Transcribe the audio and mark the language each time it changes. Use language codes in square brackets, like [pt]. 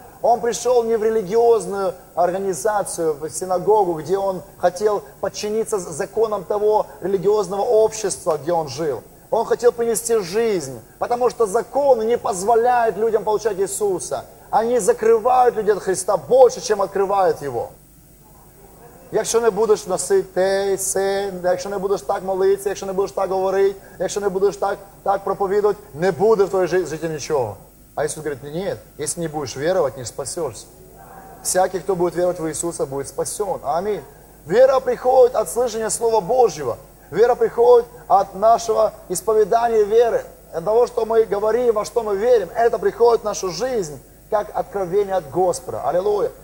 [ru] Он пришел не в религиозную организацию, в синагогу, где он хотел подчиниться законам того религиозного общества, где он жил. Он хотел принести жизнь, потому что законы не позволяют людям получать Иисуса. Они закрывают людей от Христа больше, чем открывают его. [uk] Якщо не будеш носити те, це, якщо не будеш так молитися, якщо не будеш так говорити, якщо не будеш так проповідувати, не буде в твоєму житті нічого. [ru] А Иисус говорит, нет, если не будешь веровать, не спасешься. Всякий, кто будет веровать в Иисуса, будет спасен. Аминь. Вера приходит от слышания Слова Божьего. Вера приходит от нашего исповедания веры. От того, что мы говорим, во что мы верим. Это приходит в нашу жизнь, как откровение от Господа. Аллилуйя.